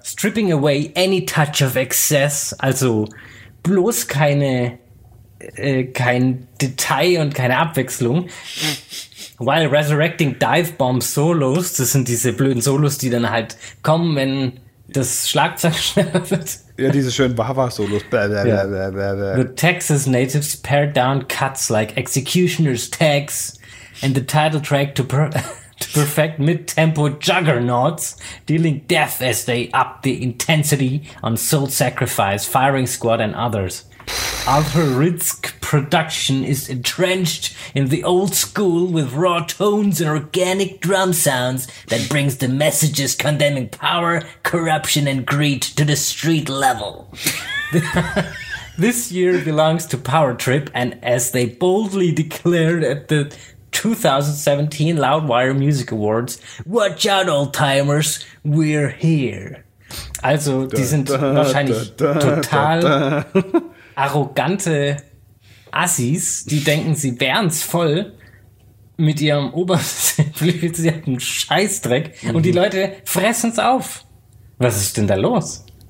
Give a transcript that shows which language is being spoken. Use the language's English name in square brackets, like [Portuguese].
[English] Stripping away any touch of excess, [German] also bloß kein Detail und keine Abwechslung. [English] While resurrecting Dive-Bomb-Solos, [German] das sind diese blöden Solos, die dann halt kommen, wenn das Schlagzeug schneller wird. Ja, diese schönen Bava-Solos. [English] The Texas natives pared down cuts like executioner's tags and the title track to perfect mid-tempo juggernauts, dealing death as they up the intensity on Soul Sacrifice, Firing Squad and others. Arthur Ritzk production is entrenched in the old school with raw tones and organic drum sounds that brings the messages condemning power, corruption and greed to the street level. This year belongs to Power Trip, and as they boldly declared at the 2017 Loudwire Music Awards, watch out old timers, we're here. [German] Also, die sind wahrscheinlich total arrogante Assis, die denken, sie wären es voll mit ihrem obersimplifizierten Scheißdreck und die Leute fressen es auf. Was ist denn da los?